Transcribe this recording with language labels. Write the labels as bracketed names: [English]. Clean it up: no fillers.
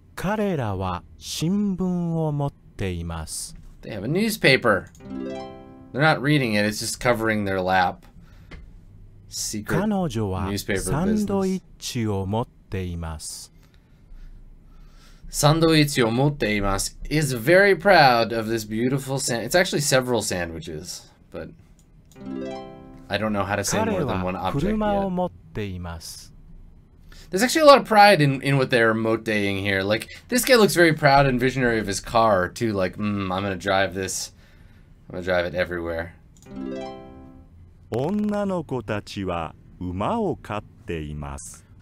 [Japanese] 彼らは新聞を持っています。 [English] They have a newspaper. They're not reading it. It's just covering their lap. Secret newspaper business. [Japanese] 彼女はサンドイッチを持っています。サンドイッチを持っています。 [English] Is very proud of this beautiful sandwich. It's actually several sandwiches, but I don't know how to say more than one object yet. [Japanese] 彼は車を持っています。 [English] There's actually a lot of pride in what they're moteing here. Like, this guy looks very proud and visionary of his car, too. Like, I'm gonna drive this. I'm gonna drive it everywhere. [Japanese] 女の子たちは馬を飼っています。